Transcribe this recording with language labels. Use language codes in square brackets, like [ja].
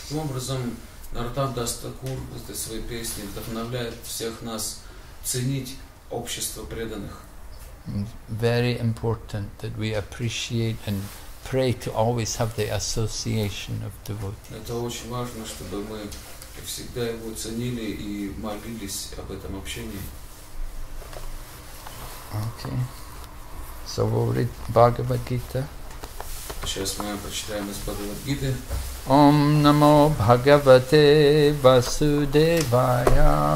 [ru] Таким образом, Нартам Дас Такур в этой своей песне вдохновляет всех нас ценить общество преданных. [en] Very important that we appreciate and pray to always have the association of devotees. [ru] Это очень важно, чтобы мы всегда его ценили и молились об этом общении. [en] Okay. So we'll read Bhagavad Gita. [ru] Сейчас мы прочитаем из Бхагавад-гиты. [sa] Ом намо Бхагавате Васудевая.